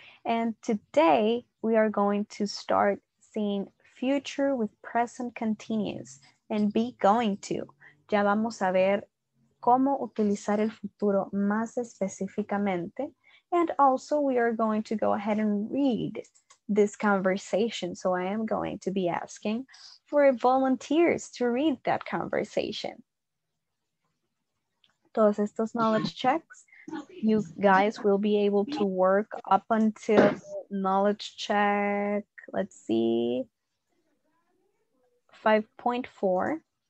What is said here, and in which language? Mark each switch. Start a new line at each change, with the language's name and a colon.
English: And today we are going to start seeing future with present continuous and be going to.
Spanish: Ya vamos a ver cómo utilizar el futuro más específicamente.
English: And also we are going to go ahead and read this conversation. So I am going to be asking for volunteers to read that conversation.
Spanish: Todos estos
English: knowledge checks, you guys will be able to work up until knowledge check, let's see, 5.4.